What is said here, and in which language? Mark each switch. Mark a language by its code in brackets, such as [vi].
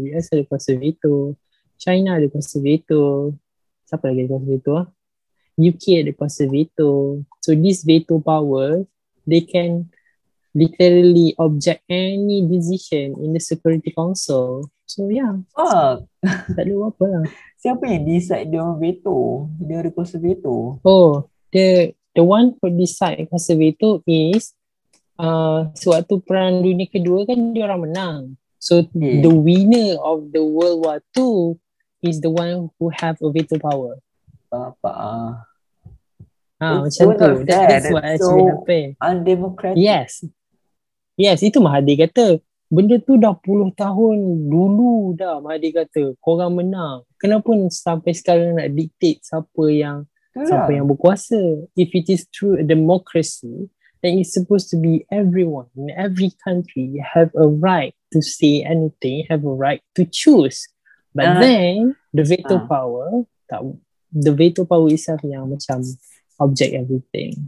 [ms] US ada kuasa veto. China ada kuasa veto. Siapa lagi ada kuasa veto? UK ada kuasa veto. [en] So this veto power, they can literally object any decision in the Security Council. So yeah. Fuck. [ms] Tak ada apa lah. Siapa yang decide dia orang veto? Dia ada kuasa veto. [en] Oh, the one who decide [ms] kuasa veto is sewaktu Perang Dunia Kedua kan dia orang menang. [en] So the winner of the World War II is the one who have a veto power. [ms] Macam tu. [en] That's what actually happened. So undemocratic. [ms] Yes, itu Mahathir kata. Benda tu dah puluh tahun dulu dah, Mahathir kata. Korang menang. Kenapa sampai sekarang nak dictate siapa yang berkuasa? [en] If it is true a democracy, then it's supposed to be everyone in every country have a right to say anything, have a right to choose. But then, the veto power, the veto power itself [ms] yang macam [en] object everything.